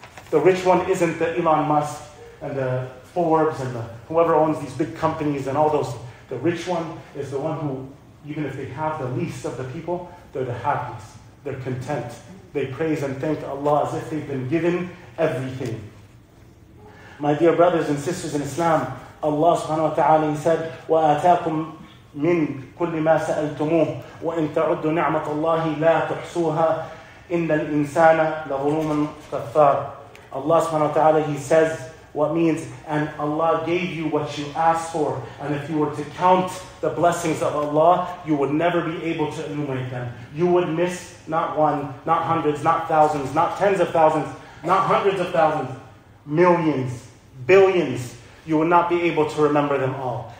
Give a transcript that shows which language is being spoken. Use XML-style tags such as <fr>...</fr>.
<en>The rich one isn't the Elon Musk and the Forbes and the whoever owns these big companies and all those. The rich one is the one who, even if they have the least of the people, they're the happiest. They're content. They praise and thank Allah as if they've been given everything. My dear brothers and sisters in Islam, Allah subhanahu wa ta'ala, He said,</en> <ar>وَآتَاكُمْ مِنْ كُلِّ مَا سَأَلْتُمُوهُ وَإِنْ تَعُدُّ نِعْمَةَ اللَّهِ لَا تُحْصُوهَا إِنَّ الْإِنسَانَ لَظُلُومٌ كَفَّارٌ.</ar> <en>Allah subhanahu wa ta'ala, He says what means, and Allah gave you what you asked for, and if you were to count the blessings of Allah, you would never be able to enumerate them. You would miss not one, not hundreds, not thousands, not tens of thousands, not hundreds of thousands, millions, billions, you will not be able to remember them all.</en>